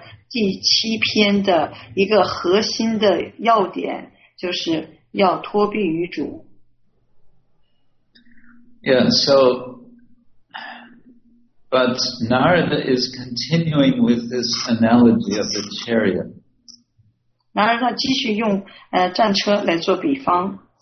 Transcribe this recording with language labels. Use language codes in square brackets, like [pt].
[zh] 第七篇的一个核心的要点就是要脱避于主。 [en] Yeah, so, but Narada is continuing with this analogy of the chariot. [zh] Narada 继续用战车来做比方。